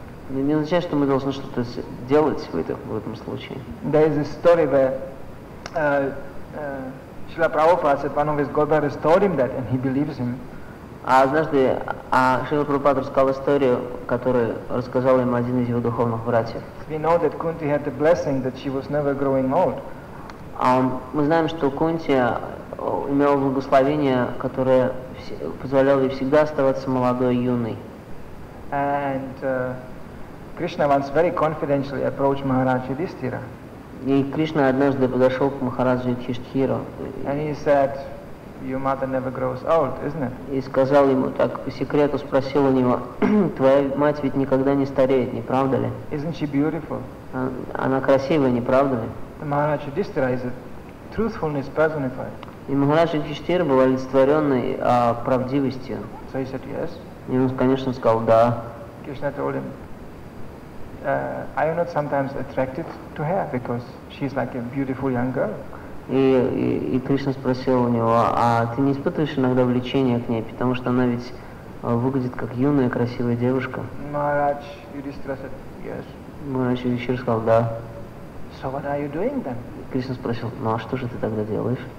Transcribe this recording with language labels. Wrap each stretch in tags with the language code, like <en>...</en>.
<ru>Не означает, что мы должны что-то делать в этом случае.</ru> <en>There is a story where Srila Prabhupada said one of his godbrothers told him that, and he believes him.</en> <ru>А однажды Шрила Прабхупада рассказал историю, которую рассказал ему один из его духовных братьев.</ru> <en>We know that Kunti had the blessing that she was never growing old.</en> <ru>Мы знаем, что Кунти имела благословение, которое позволяло ей всегда оставаться молодой, юной.</ru> <en>And Krishna once very confidentially approached Maharaj Yudhishthira.</en> <ru>И Кришна однажды подошел к Махараджу Юдхиштхиру.</ru> <en>And he said, "Your mother never grows old, isn't it?"</en> <ru>И сказал ему так по секрету, спросил у него: "Твоя мать ведь никогда не стареет, не правда ли?"</ru> <en>Isn't she beautiful?</en> <ru>Она красивая, не правда ли?</ru> <en>The Maharaj Yudhishthira is a truthfulness personified.</en> <ru>И Махарадж Юдхиштхира был олицетворенный правдивостью.</ru> <en>So he said yes.</en> <ru>И он, конечно, сказал да.</ru> <en>Krishna told him, are you not sometimes attracted to her because she's like a beautiful young girl?</en> <ru>И Кришна спросил у него, а ты не испытываешь иногда влечения к ней, потому что она ведь выглядит как юная красивая девушка?</ru> <en>Maharaj Yudhishthira said yes.</en> <ru>Maharaj Yudhishthira сказал да.</ru> <en>So what are you doing then?</en> <ru>Кришна спросил, ну а что же ты тогда делаешь?</ru>